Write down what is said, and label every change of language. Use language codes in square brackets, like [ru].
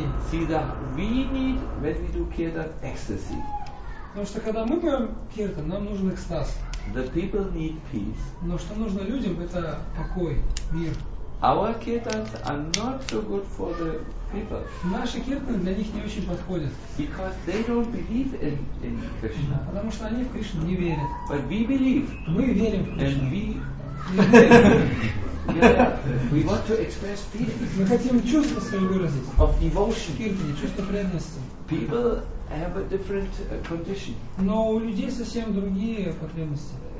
[en] See that we need when we do kirtan ecstasy. [ru] Потому что когда мы поем киртан, нам нужен экстаз. [en] The people need peace. [ru] Но что нужно людям, это покой, мир. [en] Our kirtans are not so good for the people. [ru] Наши киртаны для них не очень подходят. [en] Because they don't believe in Krishna. [ru] Потому что они в Кришну не верят. [en] But we believe. [ru] Мы верим в Кришну. [en] And we want to express feelings. [ru] Мы хотим чувства свои выразить. [en] Of devotion. [ru] Киртане, чувство преданности. [en] People have a different condition. [ru] Но у людей совсем другие потребности.